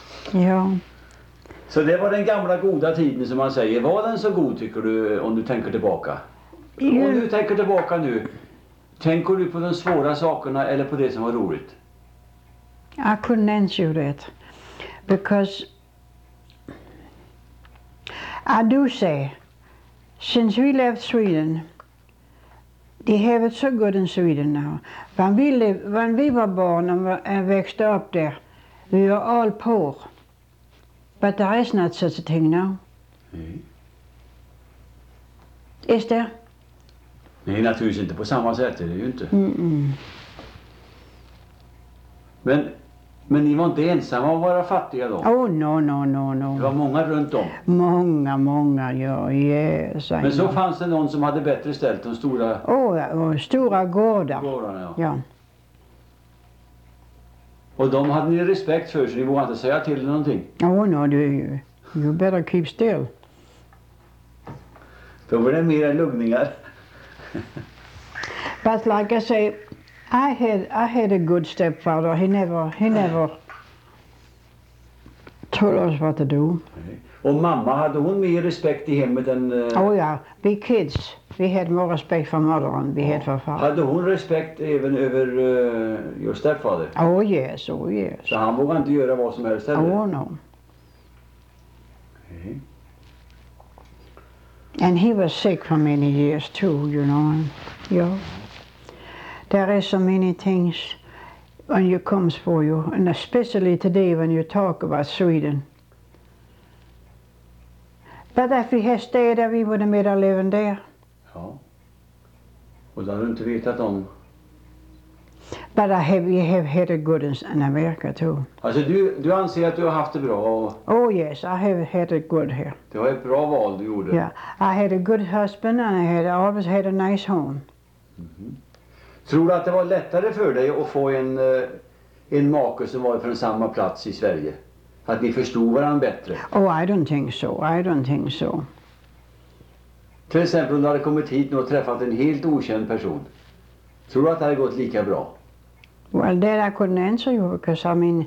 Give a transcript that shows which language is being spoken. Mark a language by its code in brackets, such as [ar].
[sv] Ja. Så det var den gamla goda tiden som man säger. Var den så god tycker du om du tänker tillbaka? Om du tänker tillbaka nu, tänker du på de svåra sakerna eller på det som var roligt? [en] I couldn't answer that. Because I do say, since we left Sweden, they have it so good in Sweden now. When we were born and [sv] växte upp där, [en] we were all poor. But there is not such a thing now. [sv] Nej. [en] Is there? [sv] Nej, naturligtvis inte på samma sätt, det är ju inte. Mm-mm. Men ni var inte ensamma om att vara fattiga då? [en] Oh, no. [sv] Det var många runt om. Många, ja, [en] yes. [sv] Men så fanns det någon som hade bättre ställt än stora... Stora gårdar. Gårdarna, ja. Och de hade ni respekt för, så ni vågade inte säga till någonting? [en] Oh no, you better keep still. [sv] Då blir det mera lugningar. [en] But like I say, I had a good stepfather. He never told us what to do. [sv] Och mamma, hade hon mer respekt i hemmet än... [en] Oh yeah, we kids, we had more respect for mother than we had for father. [sv] Hade hon respekt även över [en] your stepfather? Oh yes. [sv] Så han vågade inte göra vad som helst heller? [en] Oh no. Okay. And he was sick for many years too, you know. Yeah. There is so many things when you comes for you, and especially today when you talk about Sweden. But if we had stayed there, we would have made a living there. [sv] Ja. Och det har du inte vetat om. [en] But we have had a good in America too. [sv] Alltså du anser att du har haft det bra? [en] Oh yes, I have had it good here. [sv] Det var ett bra val du gjorde. [en] Yeah, I had a good husband and I always had a nice home. Mm-hmm. [sv] Tror du att det var lättare för dig att få en make som var från samma plats i Sverige? Att ni förstod varandra bättre? [en] Oh, I don't think so. [sv] Till exempel om du hade kommit hit och träffat en helt okänd person. Tror du att det hade gått lika bra? [en] Well, that I couldn't answer you, because I mean...